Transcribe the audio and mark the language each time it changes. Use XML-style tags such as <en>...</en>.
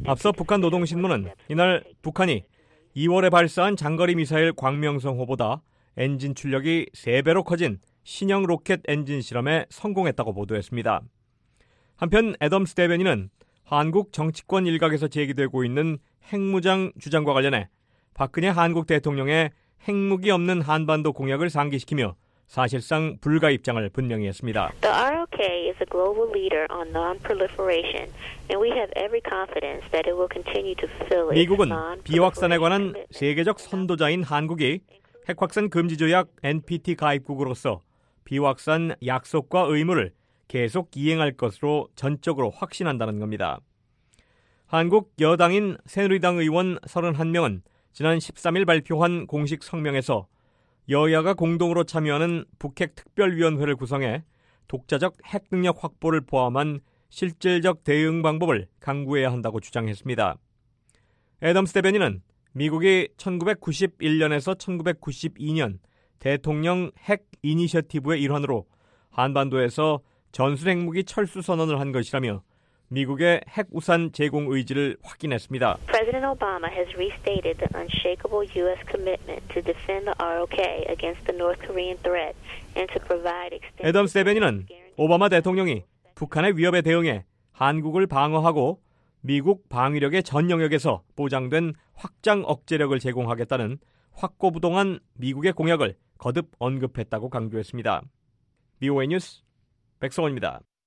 <ko>앞서 북한 노동신문은 이날 북한이 2월에 발사한 장거리 미사일 광명성호보다 엔진 출력이 3배로 커진 신형 로켓 엔진 실험에 성공했다고 보도했습니다. 한편 애덤스 대변인은 한국 정치권 일각에서 제기되고 있는 핵무장 주장과 관련해 박근혜 한국 대통령의 핵무기 없는 한반도 공약을 상기시키며 사실상 불가 입장을 분명히 했습니다.</ko> <en>The ROK is a global leader on non-proliferation, and we have every confidence that it will continue to fulfill.</en> <ko>미국은 비확산에 관한 세계적 선도자인 한국이 핵확산 금지 조약 NPT 가입국으로서 비확산 약속과 의무를 계속 이행할 것으로 전적으로 확신한다는 겁니다. 한국 여당인 새누리당 의원 31명은 지난 13일 발표한 공식 성명에서 여야가 공동으로 참여하는 북핵특별위원회를 구성해 독자적 핵 능력 확보를 포함한 실질적 대응 방법을 강구해야 한다고 주장했습니다. 애덤스 대변인은 미국이 1991년에서 1992년 대통령 핵 이니셔티브의 일환으로 한반도에서 전술 핵무기 철수 선언을 한 것이라며 미국의 핵 우산 제공 의지를 확인했습니다.</ko> <en>President Obama has restated the unshakable U.S. commitment to defend the ROK against the North Korean threat and to provide extended.</en> <ko>애덤스 대변인은 오바마 대통령이 북한의 위협에 대응해 한국을 방어하고 미국 방위력의 전 영역에서 보장된 확장 억제력을 제공하겠다는 확고부동한 미국의 공약을 거듭 언급했다고 강조했습니다. VOA 뉴스 백성원입니다.</ko>